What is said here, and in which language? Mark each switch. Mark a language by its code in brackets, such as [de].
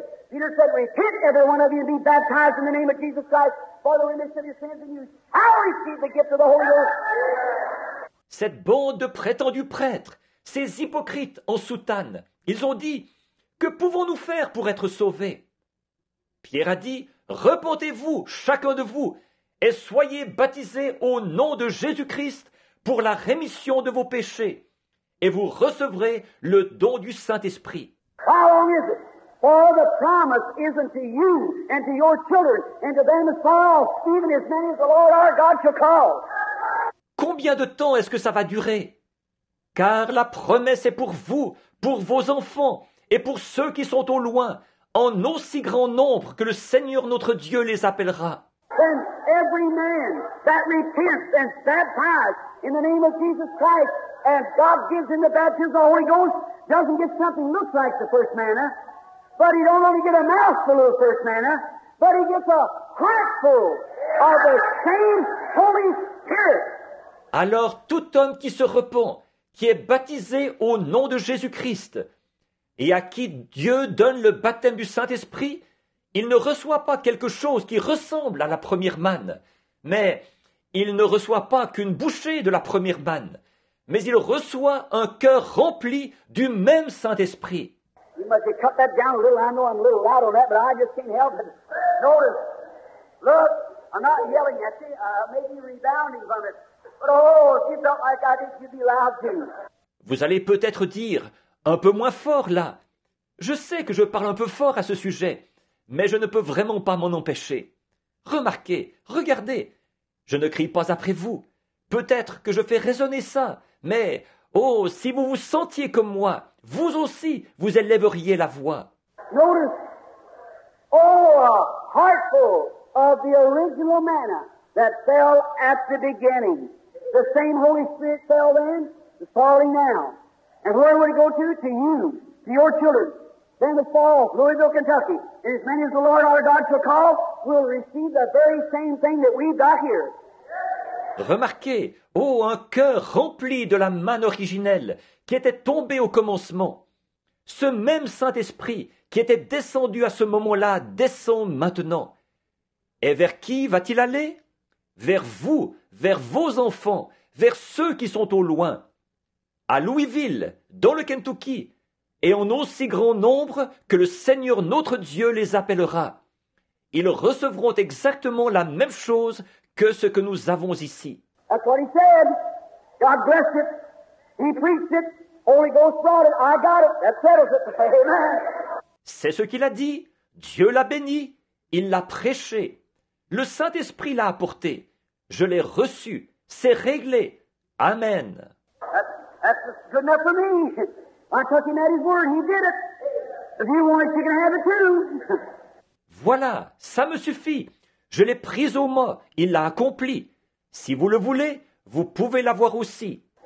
[en] Peter said, repent, every one of you, and be baptized in the name of Jesus Christ for the remission of your sins, and you shall receive the gift of the Holy Ghost. [fr] Cette bande de prétendus prêtres, ces hypocrites en soutane, ils ont dit, que pouvons-nous faire pour être sauvés? Pierre a dit, repentez-vous, chacun de vous, et soyez baptisés au nom de Jésus-Christ pour la rémission de vos péchés, et vous recevrez le don du Saint-Esprit. [en] How long is it? For the promise is unto you and to your children and to them as far off, even as many as the Lord our God shall call. [fr] Combien de temps est-ce que ça va durer? Car la promesse est pour vous, pour vos enfants et pour ceux qui sont au loin, en aussi grand nombre que le Seigneur notre Dieu les appellera. [en] Then every man that repents and baptized in the name of Jesus Christ and God gives him the baptism of the Holy Ghost doesn't get something looks like the first manna. But he don't only get a mouthful of the first manna, but he gets a heartful of the same Holy Spirit. [fr] Alors tout homme qui se repent, qui est baptisé au nom de Jésus-Christ, et à qui Dieu donne le baptême du Saint-Esprit, il ne reçoit pas quelque chose qui ressemble à la première manne, mais il ne reçoit pas qu'une bouchée de la première manne, mais il reçoit un cœur rempli du même Saint-Esprit. [en] You must have cut that down a little. I know I'm a little loud on that, but I just can't help it. Notice, look, I'm not yelling at you. I may be rebounding from it. But oh, if you felt like I did, you'd be loud too. [fr] Vous allez peut-être dire, un peu moins fort là. Je sais que je parle un peu fort à ce sujet, mais je ne peux vraiment pas m'en empêcher. Remarquez, regardez, je ne crie pas après vous. Peut-être que je fais résonner ça, mais, oh, si vous vous sentiez comme moi, vous aussi, vous élèveriez la voix. [en] Notice, oh, a heartful of the original manna that fell at the beginning. The same Holy Spirit fell then, the falling now. And where would it go to? To you, to your children. Then the fall, Louisville, Kentucky, and as many as the Lord our God shall call, will receive the very same thing that we've got here. [fr] Remarquez, oh, un cœur rempli de la manne originelle qui était tombée au commencement. Ce même Saint-Esprit qui était descendu à ce moment-là descend maintenant. Et vers qui va-t-il aller? Vers vous, vers vos enfants, vers ceux qui sont au loin. À Louisville, dans le Kentucky, et en aussi grand nombre que le Seigneur notre Dieu les appellera. Ils recevront exactement la même chose que ce que nous avons ici. [en] That's what he said. God bless it. He preached it. Holy Ghost brought it. I got it. That settles it. Amen. [fr] C'est ce qu'il a dit. Dieu l'a béni. Il l'a prêché. Le Saint-Esprit l'a apporté. Je l'ai reçu. C'est réglé. Amen. [en] That's good enough for me. I took him at his word. He did it. If you want it, you can have it too. [fr] Voilà. Ça me suffit. Je l'ai prise au mot, il l'a accompli. Si vous le voulez, vous pouvez l'avoir aussi.